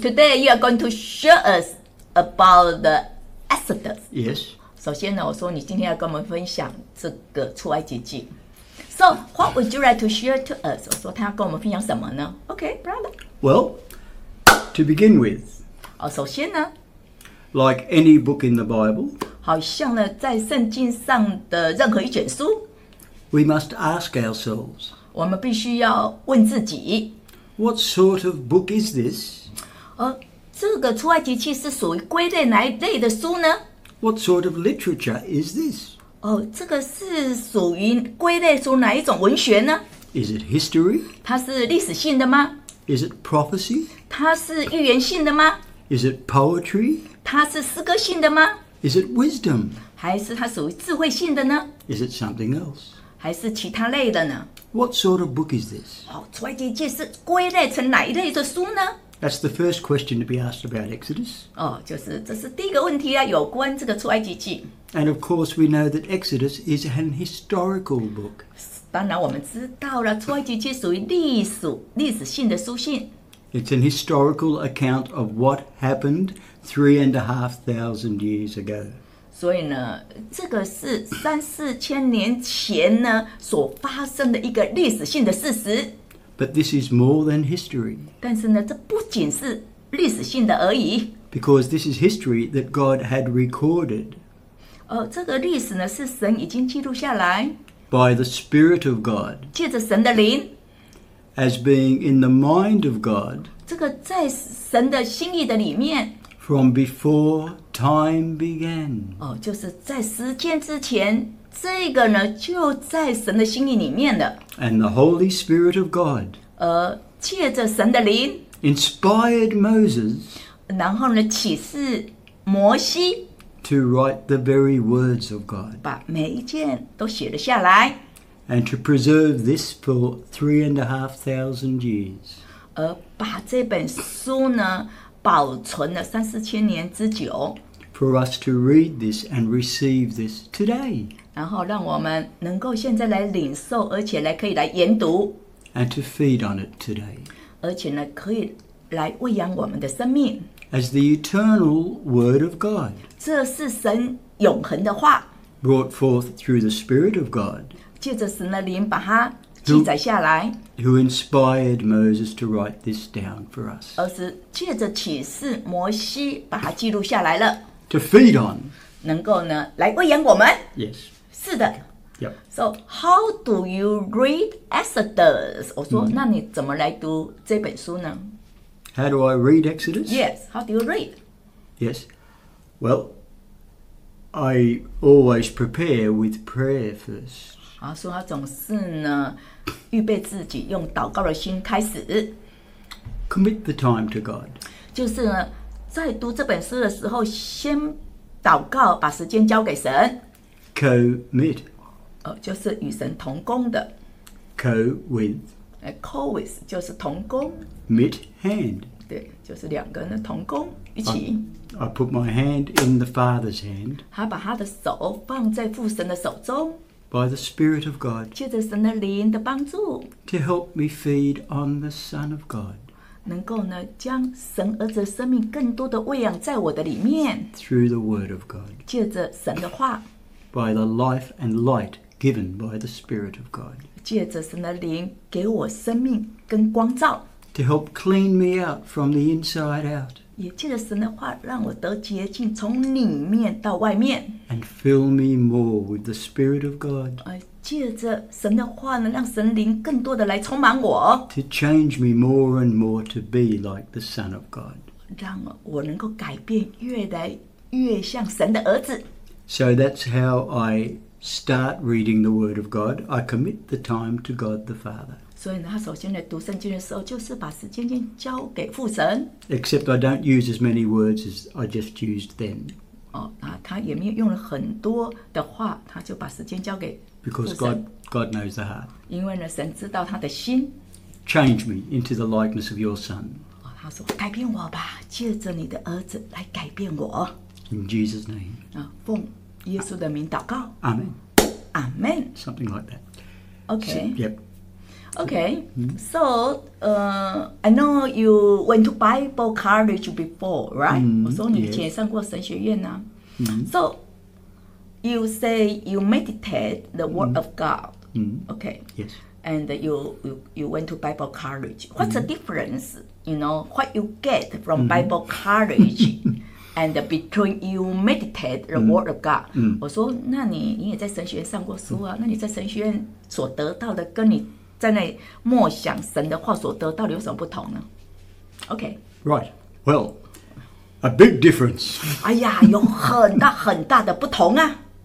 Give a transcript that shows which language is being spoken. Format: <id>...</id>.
<en>Today you are going to show us about the Exodus. Yes.</en> <zh>首先呢，我说你今天要跟我们分享这个出埃及记。</zh> <en>So, what would you like to share to us?</en> <zh>我说他要跟我们分享什么呢？</zh> <en>Okay, brother. Well, to begin with.</en> <zh>哦，首先呢。</zh> <en>Like any book in the Bible.</en> <zh>好像呢，在圣经上的任何一卷书。</zh> <en>We must ask ourselves.</en> <zh>我们必须要问自己。</zh> <en>What sort of book is this?</en> <zh>这个出埃及记是属于归类哪一类的书呢？</zh> <en>What sort of literature is this?</en> <zh>哦，这个是属于归类出哪一种文学呢？</zh> <en>Is it history?</en> <zh>它是历史性的吗？</zh> <en>Is it prophecy?</en> <zh>它是预言性的吗？</zh> <en>Is it poetry?</en> <zh>它是诗歌性的吗？</zh> <en>Is it wisdom?</en> <zh>还是它属于智慧性的呢？</zh> <en>Is it something else?</en> <zh>还是其他类的呢？</zh> <en>What sort of book is this?</en> <zh>哦，出埃及记是归类成哪一类的书呢？</zh> <en>That's the first question to be asked about Exodus.</en> <zh>哦，就是这是第一个问题啊，有关这个出埃及记。</zh> <en>And of course, we know that Exodus is an historical book.</en> <zh>当然，我们知道了，出埃及记属于历史性的书信。</zh> <en>It's an historical account of what happened 3,500 years ago.</en> <zh>所以呢，这个是3,000-4,000年前呢所发生的一个历史性的事实。</zh> <en>But this is more than history.</en> <zh>但是呢，这不仅是历史性的而已。</zh> <en>Because this is history that God had recorded.</en> <zh>这个历史呢，是神已经记录下来。</zh> <en>By the Spirit of God.</en> <zh>借着神的灵。</zh> <en>As being in the mind of God.</en> <zh>这个在神的心意的里面。</zh> <en>From before time began.</en> <zh>就是在时间之前。这个呢，就在神的心意里面的。</zh> <en>And the Holy Spirit of God.</en> <zh>借着神的灵。</zh> <en>Inspired Moses.</en> <zh>然后呢，启示摩西。</zh> <en>To write the very words of God.</en> <zh>把每一件都写了下来。</zh> <en>And to preserve this for 3,500 years.</en> <zh>把这本书呢，保存了三四千年之久。</zh> <en>For us to read this and receive this today.</en> <zh>然后让我们能够现在来领受，而且来可以来研读。</zh> <en>And to feed on it today.</en> <zh>而且呢，可以来喂养我们的生命。</zh> <en>As the eternal word of God.</en> <zh>这是神永恒的话。</zh> <en>Brought forth through the Spirit of God.</en> <zh>借着神的灵把它记载下来。</zh> <en>Who inspired Moses to write this down for us.</en> <zh>而是借着启示摩西把它记录下来了。</zh> <en>To feed on.</en> <zh>能够呢来喂养我们。</zh> <en>Yes.</en> <zh>是的。</zh> <en>Yep. So, how do you read Exodus?</en> <zh>我说、那你怎么来读这本书呢？</zh> <en>How do I read Exodus? Yes. How do you read? Yes. Well, I always prepare with prayer first.</en> <zh>所以他总是呢预备自己用祷告的心开始。</zh> <en>Commit the time to God.</en> <zh>就是呢在读这本书的时候，先祷告，把时间交给神。</zh> <en>Commit，</en> <zh>就是与神同工的。</zh> <en>Co with， Co with</en> <zh>就是同工。</zh> <en>Mit hand，</en> <zh>对，就是两个人的同工一起。</zh> <en>I put my hand in the Father's hand，</en> <zh>他把他的手放在父神的手中。</zh> <en>By the Spirit of God，</en> <zh>借着神的灵的帮助。</zh> <en>To help me feed on the Son of God。</en> <zh>能够呢将神儿子的生命更多的喂养在我的里面</zh> <en>through the word of God</en> <zh>借着神的话</zh> <en>by the life and light given by the spirit of God</en> <zh>借着神的灵给我生命跟光照</zh> <en>to help clean me out from the inside out</en> <zh>也借着神的话让我得洁净从里面到外面</zh> <en>and fill me more with the spirit of God</en> <zh>借着神的话呢，让神灵更多的来充满我。</zh> <en>To change me more and more to be like the Son of God.</en> <zh>让我能够改变，越来越像神的儿子。</zh> <en>So that's how I start reading the Word of God. I commit the time to God the Father.</en> <zh>所以呢，他首先来读圣经的时候，就是把时间先交给父神。</zh> <en>Except I don't use as many words as I just used then.</en> <zh>他也没有用了很多的话，他就把时间交给。</zh> <en>Because God knows the heart.</en> <zh>因为呢，神知道他的心。</zh> <en>Change me into the likeness of your son.</en> <zh>他说，改变我吧，借着你的儿子来改变我。</zh> <en>In Jesus' name.</en> <zh>奉耶稣的名祷告。阿门。阿门。</zh> <en>Something like that. Okay. So, yep. Okay. So, I know you went to Bible college before, right?</en> <zh>我说你以前上过神学院啊。</zh> <en>So, you say you meditate the word of God. Okay. Yes. And you went to Bible college. What's the difference, you know, what you get from Bible college and between you meditate the word of God?</en> <zh>我说那你也在神学院上过书啊，那你在神学院所得到的跟你在那默想神的话所得到的有什么不同呢？</zh> <en>Okay. Right. Well, a big difference.</en> <zh>哎呀，有很大很大的不同啊。</zh>